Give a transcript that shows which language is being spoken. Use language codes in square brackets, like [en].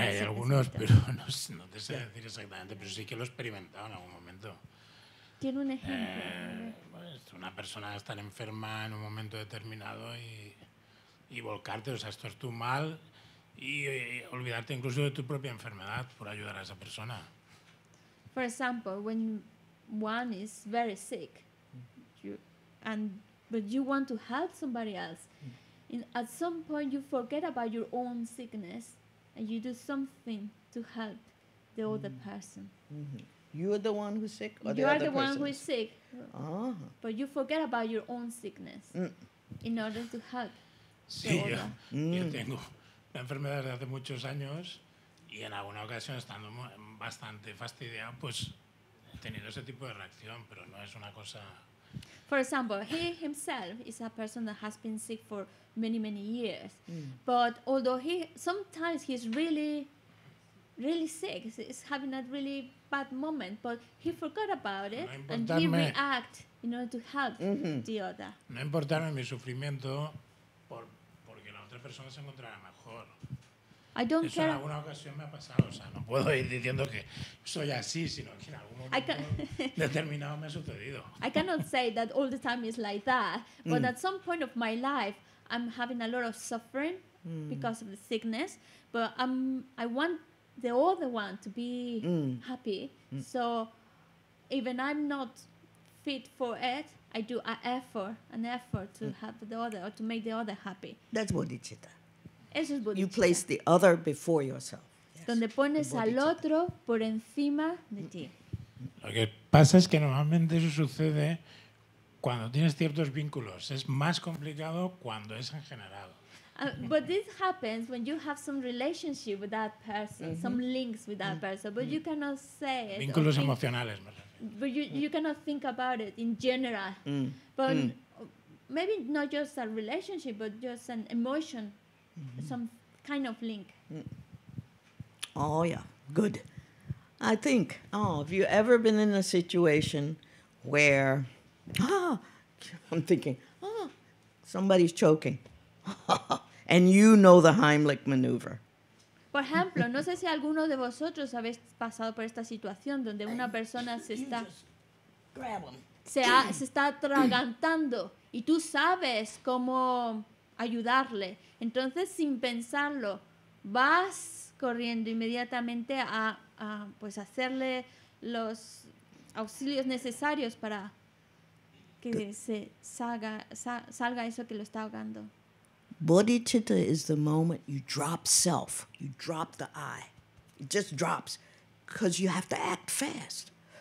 [es] Hay algunos, pero no te sé decir exactamente, pero sí que lo he experimentado en algún momento. Tiene un ejemplo. Una persona estar enferma en un momento determinado y volcarte, o sea, esto es tu mal, y olvidarte incluso de tu propia enfermedad por ayudar a esa persona. [en] For example, when one is very sick, but you want to help somebody else, at some point you forget about your own sickness and you do something to help the other person. Mm-hmm. You are the one who's sick, or you the are other the person? One who is sick. Uh-huh. But you forget about your own sickness in order to help. [es] Sí, yo tengo una enfermedad desde hace muchos años y en alguna ocasión estando bastante fastidiado, pues he tenido ese tipo de reacción, pero no es una cosa. [en] For example, he himself is a person that has been sick for many, many years. But although sometimes he's really, really sick, he's having a really bad moment, but he forgot about it and he react in order to help the other. [es] No importarme mi sufrimiento porque la otra persona se encontrará mejor. [en] I don't care. [es] En alguna ocasión me ha pasado, o sea, no puedo ir diciendo que soy así, sino que en algún momento determinado me ha sucedido. [en] I cannot say that all the time is like that, but at some point of my life I'm having a lot of suffering because of the sickness, but I want the other one to be happy. So even I'm not fit for it, I do an effort to help the other or to make the other happy. That's bodhicitta. [es] Eso es bodhicitta. [en] You place the other before yourself. Yes. [es] Donde pones al otro por encima de ti. Lo que pasa es que normalmente eso sucede cuando tienes ciertos vínculos. Es más complicado cuando es en general. [en] But this happens when you have some relationship with that person, some links with that person, but you cannot say it. [es] Vínculos emocionales, me refiero. [en] But you cannot think about it in general. But maybe not just a relationship, but just an emotion, some kind of link. Oh, yeah, good. I think, have you ever been in a situation where, I'm thinking, somebody's choking. And you know the Heimlich maneuver. [es] Por ejemplo, no sé si alguno de vosotros habéis pasado por esta situación donde una persona se está atragantando y tú sabes cómo ayudarle. Entonces, sin pensarlo, vas corriendo inmediatamente a hacerle los auxilios necesarios para que salga eso que lo está ahogando. [en] Bodhicitta is the moment you drop self, you drop the I. It just drops because you have to act fast.